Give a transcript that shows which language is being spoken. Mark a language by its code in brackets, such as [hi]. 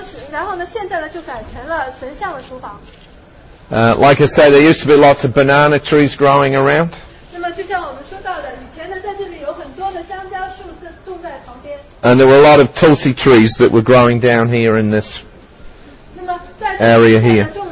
[zh] 然后呢，现在呢就改成了神像的厨房。 [en] Like I said, there used to be lots of banana trees growing around. [zh] 那么就像我们说到的，以前呢，在这里有很多的香蕉树种在旁边。 [en] And there were a lot of tulsi trees that were growing down here in this area here.